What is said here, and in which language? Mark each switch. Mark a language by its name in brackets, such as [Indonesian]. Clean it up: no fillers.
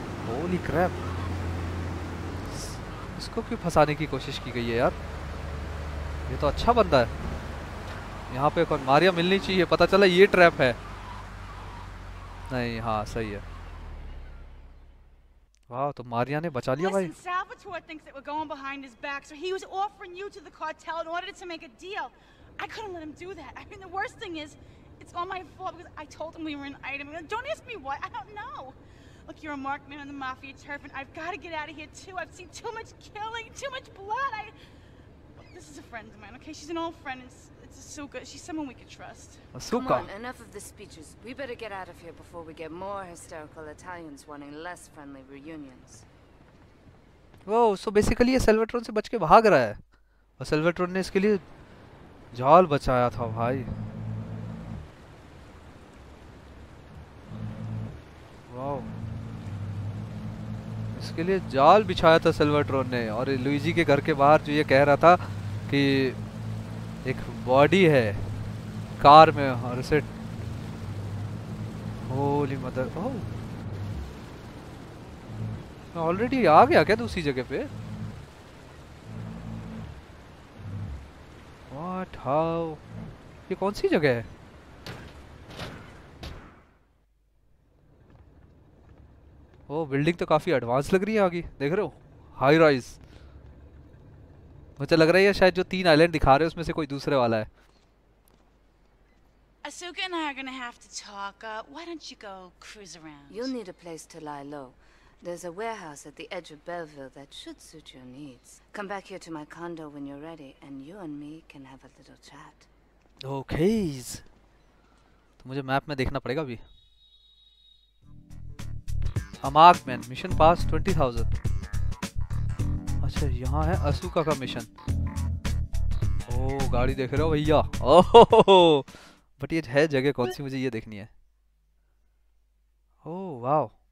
[Hindi] Holi Krebs, इसको क्यों फंसाने की कोशिश की गई है यार? ये तो अच्छा बंदा है, यहाँ पे कौन मारिया मिलनी चाहिए, पता चला ये ट्रैप है। नहीं हाँ सही है, वाह तो मारिया ने बचा लिया भाई। [English] Listen, Salvatore thinks that we're going behind his back, so he was offering you to the cartel in order to make a deal. I couldn't let him do that. I mean, the worst thing is, it's all my fault because I told him we were an item. Don't ask me why. I don't know. Look, you're a marked man on the mafia turf, and I've got to get out of here too. I've seen too much killing, too much blood. This is a friend of mine. Okay, she's an old friend. It's Asuka. She's someone we could trust. Asuka. Come on, enough of the speeches. We better get out of here before we get more hysterical Italians wanting less friendly reunions. Whoa, so basically [Hindi] ये सेल्वेट्रॉन से बच के भाग रहा है, और सेल्वेट्रॉन ने इसके लिए जाल बचाया था भाई। Wow. इसके लिए जाल बिछाया था सेल्वेट्रॉन ने, और लुइजी के घर के बाहर जो ये कह रहा था कि एक बॉडी है कार में और उसे होली मदर। ओह मैं ऑलरेडी आ गया क्या दूसरी जगह पे? [English] what how, [Hindi] ये कौन सी जगह है? ओह बिल्डिंग तो काफी एडवांस लग रही है आगे, देख रहे हो हाई राइज। मुझे लग रहा है शायद जो तीन आइलैंड दिखा रहे हैं उसमें से कोई दूसरे वाला है। [English] Asuka and I are gonna have to talk. Why don't you go cruise around? You'll need a place to lie low. There's a warehouse at the edge of Belleville that should suit your needs. Come back here to my condo when you're ready, and you and me can have a little chat. Okay. [Hindi] तो मुझे map में देखना पड़ेगा अभी। हमाक man mission पास 20,000। अच्छा यहाँ है असुका का मिशन। ओ गाड़ी देख रहे हो भैया? ओहो बट ये है जगह कौन सी, मुझे ये देखनी है। Oh wow